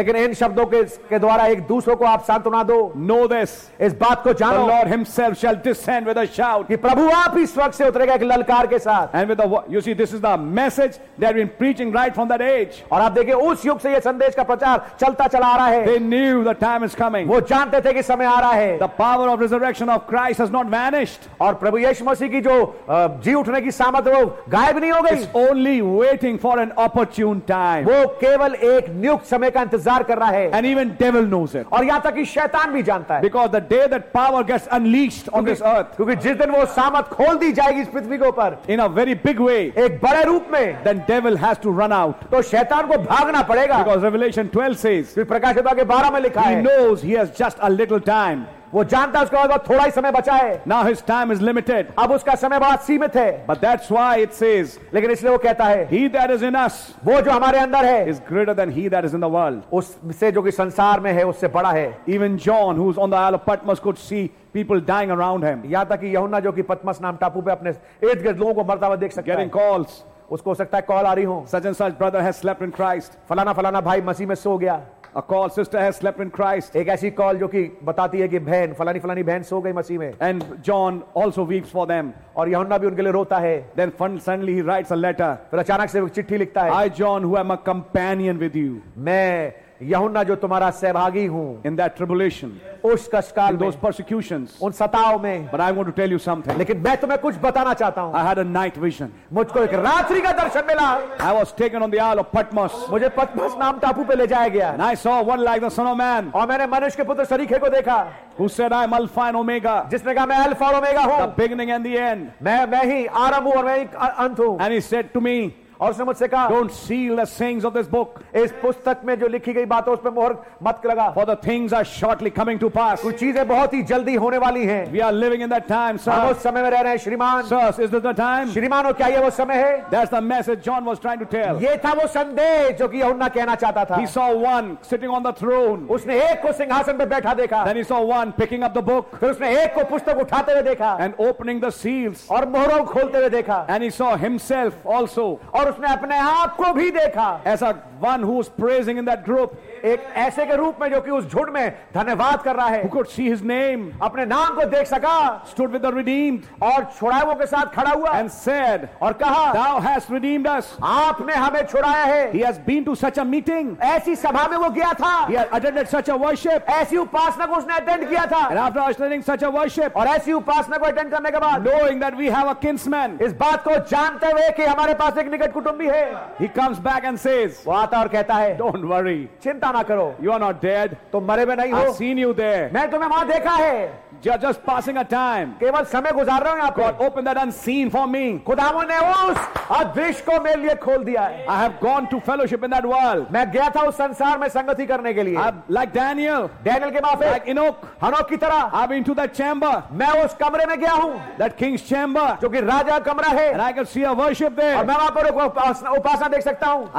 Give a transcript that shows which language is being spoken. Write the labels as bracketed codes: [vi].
[hi] लेकिन इन शब्दों के द्वारा एक दूसरों को आप सांत्वना दो। [en] Know this. [hi] इस बात को जानो. [en] The Lord Himself shall descend with a shout. [hi] कि प्रभु आप ही स्वर्ग से उतरेगा एक ललकार के साथ. [en] And with the, you see, this is the message they have been preaching right from that age. [hi] और आप देखें उस युग से ये संदेश का प्रचार चलता चला आ रहा है. [en] They knew the time is coming. [hi] वो जानते थे कि समय आ रहा है. [en] The power of resurrection of Christ has not vanished. [hi] और प्रभु यीशु मसीह की जो जी उठने की सामर्थ्य वो गायब नहीं हो गई. [en] It's only waiting for an opportune time. [hi] वो केवल एक नियुक्त समय का इंतजार कर रहा है. [en] And even devil knows it. [hi] और यहां तक कि शैतान भी जानता है। [en] Because the day that power gets unleashed on this earth, [hi] क्योंकि जिस दिन वो सामर्थ खोल दी जाएगी इस पृथ्वी के ऊपर, [en] in a very big way, [hi] एक बड़े रूप में, [en] then devil has to run out, [hi] तो शैतान को भागना पड़ेगा, [en] because Revelation 12 says, [hi] फिर प्रकाशित आगे 12 में लिखा है, [en] he knows he has just a little time. [hi] वो जानता है उसके पास थोड़ा ही समय बचा है। [en] Now his time is limited. [hi] अब उसका समय बहुत सीमित है। [en] But that's why it says, [hi] लेकिन इसलिए वो कहता है, [en] he that is in us, [hi] वो जो हमारे अंदर है, [en] is greater than he that is in the world. [hi] उससे जो कि संसार में है, उससे बड़ा है। [en] Even John, who's on the Isle of Patmos, could see people dying around him. [hi] याद था कि यहूना जो कि पतमस नाम टापू पे अपने इर्द-गिर्द लोगों को मरता हुआ देख सकता है। [en] Getting calls. [hi] उसको हो सकता है कॉल आ रही हो। [en] Such and such brother has slept in Christ. [hi] फलाना फलाना भाई मसीह में सो गया। [en] A call, sister has slept in Christ. [hi] एक ऐसी कॉल जो कि बताती है कि बहन फलानी फलानी बहन सो गई मसीह में. [en] And John also weeps for them. [hi] और यहोन्ना भी उनके लिए रोता है. [en] Then suddenly he writes a letter. [hi] फिर अचानक से वो चिट्ठी लिखता है. [en] I John, who am a companion with you. [hi] मैं यहोन्ना जो तुम्हारा सहभागी हूँ. [en] In that tribulation. [hi] उस कष्टकाल में. [en] In those persecutions. [hi] उन सताओं में. [en] But I want to tell you something. [hi] लेकिन मैं तुम्हें कुछ बताना चाहता हूँ. [en] I had a night vision. [hi] मुझको एक रात्रि का दर्शन मिला. [en] I was taken on the Isle of Patmos. [hi] मुझे पतमस नाम टापू पे ले जाया गया. [en] And I saw one like the Son of Man. [hi] और मैंने मनुष्य के पुत्र सरीखे को देखा. [en] Who said I am Alpha and Omega? [hi] जिसने कहा मैं अल्फा और ओमेगा हूँ. [en] The beginning and the end. [hi] मैं ही आरंभ हूँ और मैं ही अंत हूँ. [en] And he said to me. [hi] और उसने मुझसे कहा, [en] Don't seal the sayings of this book. [hi] इस पुस्तक में जो लिखी गई बातें उस पे मोहर मत लगा. [en] For the things are shortly coming to pass. [hi] कुछ चीजें बहुत ही जल्दी होने वाली हैं. [en] We are living in that time, sir. [hi] हम उस समय में रह रहे हैं, श्रीमान. [en] Sir, is this the time? [hi] श्रीमान, क्या ये वो समय है? [en] That's the message John was trying to tell. [hi] ये था वो संदेश जो कि यूहन्ना कहना चाहता था. [en] He saw one sitting on the throne. [hi] उसने एक को सिंहासन पे बैठा देखा. [en] Then he saw one picking up the book. [hi] फिर उसने एक को पुस्तक उठाते हुए देखा. [en] And opening the seals. [hi] और मोहरों खोलते हुए देखा. [en] And he saw himself also. [hi] उसने अपने आप को भी देखा [en] as a one who's praising in that group. [hi] एक ऐसे के रूप में जो कि उस झुंड में धन्यवाद कर रहा है. [en] Who could see his name, [hi] अपने नाम को देख सका. [en] Stood with the redeemed, [hi] और छुड़ायों के साथ खड़ा हुआ. [en] And said, [hi] और कहा, [en] Thou hast redeemed us, [hi] आपने हमें छुड़ाया है. [en] He has been to such a meeting, [hi] ऐसी सभा में वो गया था. [en] He has attended such a worship, [hi] ऐसी उपासना को उसने अटेंड किया था. [en] And after attending such a worship, [hi] और ऐसी उपासना को अटेंड करने के बाद, [en] knowing that we have a kinsman, [hi] इस बात को जानते हुए कि हमारे पास एक निकट कुटुंबी है, [en] He comes back and says, [hi] वो आता और कहता है, [en] Don't worry, [hi] चिंता ना करो. [en] You are not dead, [hi] तुम मरे हुए नहीं हो. [en] I've seen you there, [hi] मैं तुम्हें वहाँ देखा है. [en] You're just passing a time, [hi] केवल समय गुजार रहे हो यहाँ पे. [en] God opened that unseen for me, [hi] खुदावन ने उस अदृश्य को मेरे लिए खोल दिया है. [en] I have gone to fellowship in that world, [hi] मैं गया था उस संसार में संगति करने के लिए. [en] Like Daniel, [hi] डैनियल के बाप है. [en] Like Enoch, [hi] हनोक की तरह. [en] I've been to that chamber, [hi] मैं उस कमरे में गया हूँ. [en] That king's chamber, [hi] जो कि राजा कमरा है. [en] And I could see a worship there, [hi] और मैं वहाँ पर उपासना देख सकता हूँ.